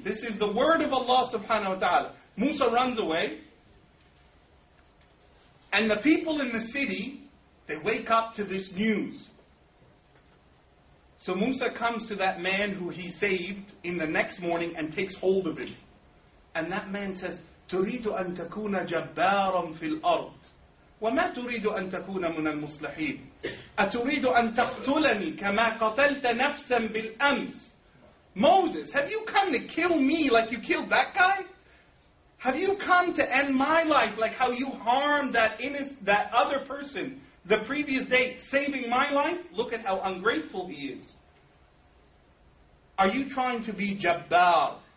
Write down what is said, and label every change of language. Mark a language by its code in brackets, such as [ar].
[en] This is the word of Allah subhanahu wa ta'ala. Musa runs away. And the people in the city, they wake up to this news. So Musa comes to that man who he saved in the next morning and takes hold of him. And that man says, [ar] تُرِيدُ أَن تَكُونَ جَبَّارًا فِي الْأَرْضِ وَمَا تُرِيدُ أَن تَكُونَ مُنَ الْمُصْلِحِينَ أَتُرِيدُ أَن تَقْتُلَنِي كَمَا قَتَلْتَ نَفْسًا بِالْأَمْسِ. [en] Moses, have you come to kill me like you killed that guy? Have you come to end my life like how you harmed that other person the previous day, saving my life? Look at how ungrateful he is. Are you trying to be Jabbar?